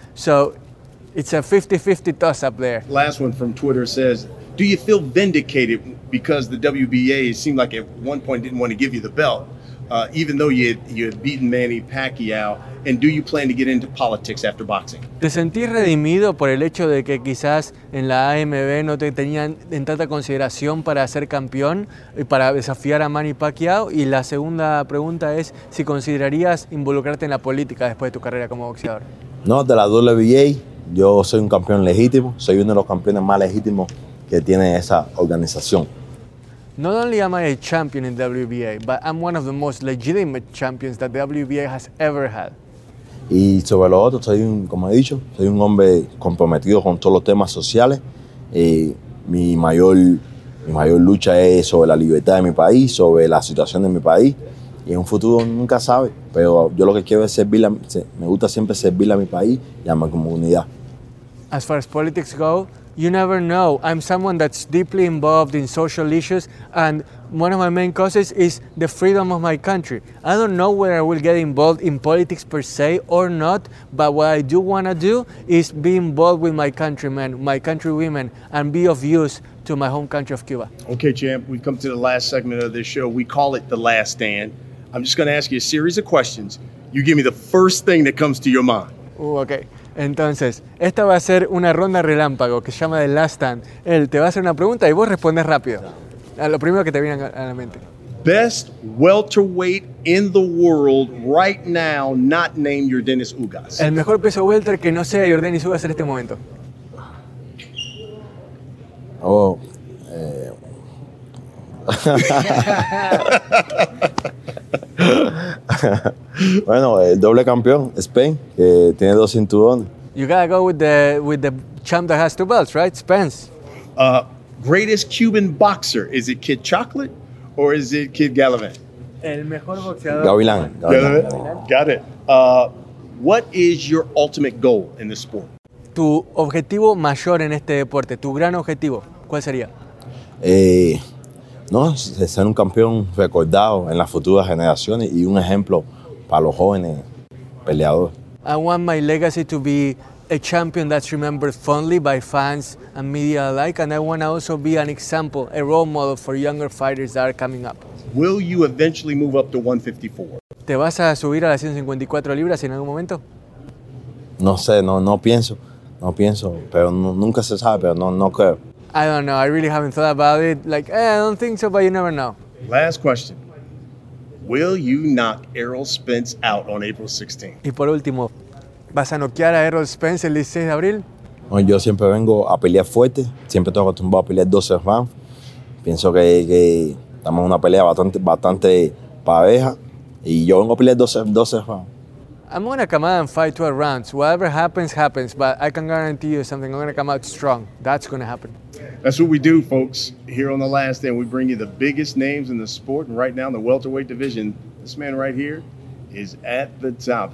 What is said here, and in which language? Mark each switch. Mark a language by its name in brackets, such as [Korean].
[English] So it's a 50-50 toss up there. Last one from Twitter says, do you feel vindicated because the WBA seemed like at one point didn't want to give you the belt, even though you had beaten Manny Pacquiao? And do you plan to get into politics after boxing? [Spanish] Te sentí redimido por el hecho de que quizás en la AMB no te tenían en tanta consideración para ser campeón y para desafiar a Manny Pacquiao. Y la segunda pregunta es si considerarías involucrarte en la política después de tu carrera como boxeador. No, de la WBA, yo soy un campeón legítimo. Soy uno de los campeones más legítimos que tiene esa organización. [English] Not only am I a champion in WBA, but I'm one of the most legitimate champions that the WBA has ever had. [Spanish] Y sobre lo otro, soy un, como he dicho, soy un hombre comprometido con todos los temas sociales. Mi mayor lucha es sobre la libertad de mi país, sobre la situación de mi país. Y en un futuro nunca sabe, pero yo lo que quiero es servir, me gusta siempre servir a mi país y a mi comunidad. [English] As far as politics go, you never know. I'm someone that's deeply involved in social issues, and one of my main causes is the freedom of my country. I don't know whether I will get involved in politics per se or not, but what I do want to do is be involved with my countrymen, my countrywomen, and be of use to my home country of Cuba. Okay, champ, we've come to the last segment of this show. We call it The Last Stand. I'm just going to ask you a series of questions. You give me the first thing that comes to your mind. [Spanish] Ooh, okay. Entonces, esta va a ser una ronda relámpago que se llama The Last Stand. Él te va a hacer una pregunta y vos respondes rápido. A lo primero que te viene a la mente. [English] Best welterweight in the world right now, not named Yordanis Ugas. [Spanish] El mejor peso welter que no sea Yordanis Ugas en este momento. Bueno, el doble campeón, Spain, que tiene dos cinturones. [English] You gotta go with the champ that has two belts, right? Spence. Greatest Cuban boxer. Is it Kid Chocolate or is it Kid Gallivan? [Spanish] El mejor boxeador. Gavilán. [English] Got it. What is your ultimate goal in this sport? [Spanish] Tu objetivo mayor en este deporte, tu gran objetivo, ¿cuál sería? No, ser un campeón recordado en las futuras generaciones y un ejemplo para los jóvenes peleadores. [English] I want my legacy to be a champion that's remembered fondly by fans and media alike, and I want to also be an example, a role model for younger fighters that are coming up. Will you eventually move up to 154? [Spanish] ¿Te vas a subir a las 154 libras en algún momento? No sé, no pienso, pero nunca se sabe, pero no creo. [English] I don't know, I really haven't thought about it. Like, I don't think so, but you never know. Last question. Will you knock Errol Spence out on April 16th? [Spanish] Y por último, ¿vas a noquear a Errol Spence el 16 de abril? No, yo siempre vengo a pelear fuerte. Siempre estoy acostumbrado a pelear 12 rounds. Pienso que estamos en una pelea bastante pareja. Y yo vengo a pelear 12 rounds. [English] I'm going to come out and fight 12 rounds. Whatever happens, happens. But I can guarantee you something. I'm going to come out strong. That's going to happen. That's what we do, folks. Here on The Last Stand, we bring you the biggest names in the sport. And right now in the welterweight division, this man right here is at the top.